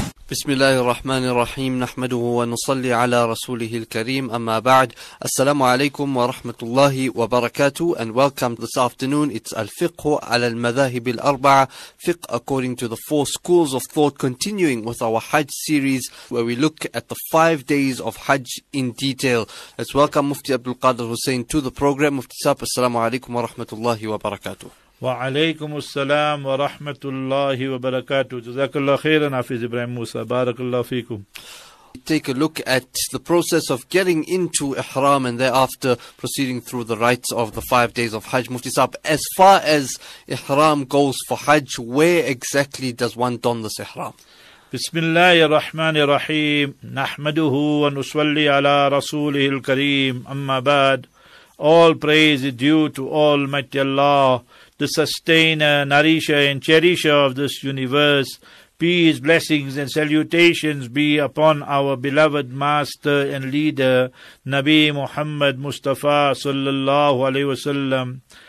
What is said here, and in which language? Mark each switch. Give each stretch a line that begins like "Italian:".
Arabic: بسم الله الرحمن الرحيم نحمده ونصلي على رسوله الكريم أما بعد السلام عليكم ورحمة الله وبركاته
English: and welcome this afternoon. It's
Arabic: الفقه على المذاهب الأربعة فقه
English: according to the four schools of thought, continuing with our Hajj series where we look at the 5 days of Hajj in detail. Let's welcome Mufti Abdul Qadir Hussein to the program.
Arabic: Mufti Saab, السلام عليكم ورحمة الله وبركاته. وعليكم السلام ورحمة الله وبركاته. جزاك الله خيرا حفيظ إبراهيم موسى بارك الله فيكم.
English: Take a look at the process of getting into Ihram and thereafter proceeding through the rites of the 5 days of Hajj. Mufti Saab, as far as Ihram goes for Hajj, where exactly does one don this Ihram?
Arabic: بسم الله الرحمن الرحيم نحمده ونصلي على رسوله الكريم أما بعد.
English: All praise is due to Almighty Allah, the sustainer, nourisher, and cherisher of this universe. Peace, blessings, and salutations be upon our beloved master and leader, Nabi Muhammad Mustafa sallallahu alayhi wasallam.